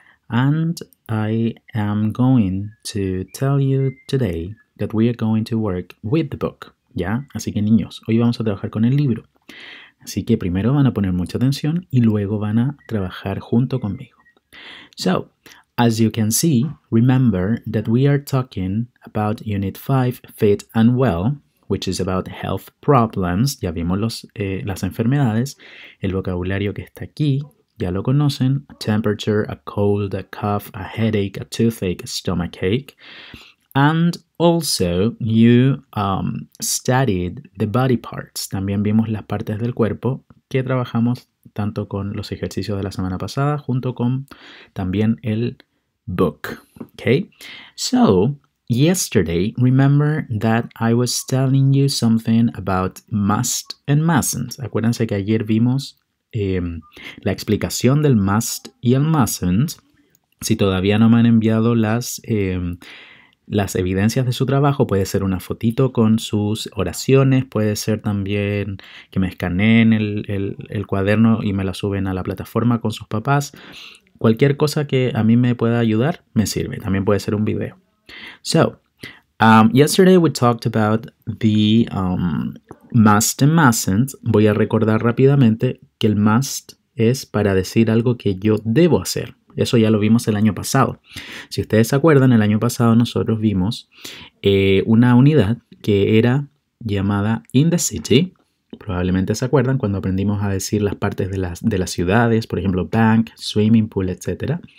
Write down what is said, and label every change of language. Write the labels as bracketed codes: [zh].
[en] And I am going to tell you today that we are going to work with the book, ¿ya? [es] Así que niños, hoy vamos a trabajar con el libro. Así que primero van a poner mucha atención y luego van a trabajar junto conmigo. [en] So, as you can see, remember that we are talking about Unit 5, Fit and Well, which is about health problems. [es] Ya vimos las enfermedades. El vocabulario que está aquí, ya lo conocen. [en] A temperature, a cold, a cough, a headache, a toothache, a stomachache. And also, you studied the body parts. [es] También vimos las partes del cuerpo que trabajamos tanto con los ejercicios de la semana pasada junto con también el book. [en] Okay? So, yesterday, remember that I was telling you something about must and mustn't. [es] Acuérdense que ayer vimos la explicación del must y el mustn't. Si todavía no me han enviado las evidencias de su trabajo, puede ser una fotito con sus oraciones, puede ser también que me escaneen el cuaderno y me la suben a la plataforma con sus papás. Cualquier cosa que a mí me pueda ayudar, me sirve. También puede ser un video. [en] So, yesterday we talked about the must and mustn't. [es] Voy a recordar rápidamente que el must es para decir algo que yo debo hacer. Eso ya lo vimos el año pasado. Si ustedes se acuerdan, el año pasado nosotros vimos una unidad que era llamada [en] in the city. [es] Probablemente se acuerdan cuando aprendimos a decir las partes de las ciudades, por ejemplo, [en] bank, swimming pool, [es] etc.